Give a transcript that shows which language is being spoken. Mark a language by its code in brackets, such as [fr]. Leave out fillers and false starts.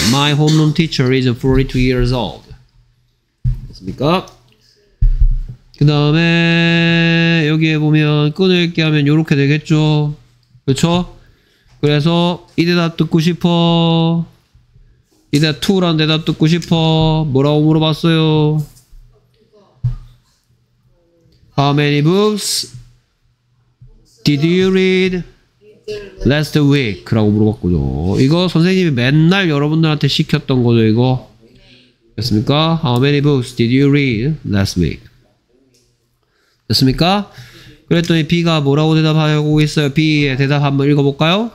[en] My homeroom teacher is 42 years old. [ko] 됐습니까? 그 다음에 여기에 보면 끊을게 하면 요렇게 되겠죠. 그렇죠? 그래서 이 대답 듣고 싶어. 이제 2라는 대답 듣고 싶어. 뭐라고 물어봤어요? [en] How many books did you read last week? [ko] 라고 물어봤고요. 이거 선생님이 맨날 여러분들한테 시켰던 거죠, 이거. 됐습니까? [en] How many books did you read last week? [ko] 됐습니까? 그랬더니 B가 뭐라고 대답하고 있어요? B의 대답 한번 읽어볼까요?